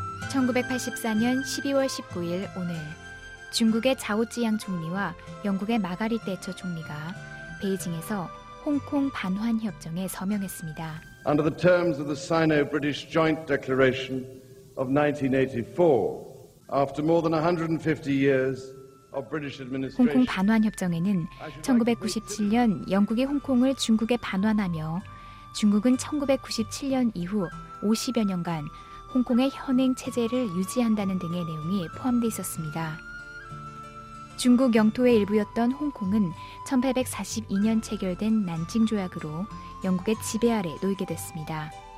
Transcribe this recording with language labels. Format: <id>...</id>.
<ko>1984년 12월 19일 오늘, 중국의 자오찌양 총리와 영국의 마가릿 대처 총리가 베이징에서 홍콩 반환 협정에 서명했습니다.</ko> <en>Under the terms of the Sino-British Joint Declaration of 1984, after more than 150 years,</en> <ko>홍콩 반환 협정에는 1997년 영국이 홍콩을 중국에 반환하며 중국은 1997년 이후 50여 년간 홍콩의 현행 체제를 유지한다는 등의 내용이 포함되어 있었습니다. 중국 영토의 일부였던 홍콩은 1842년 체결된 난징 조약으로 영국의 지배 아래 놓이게 됐습니다.</ko>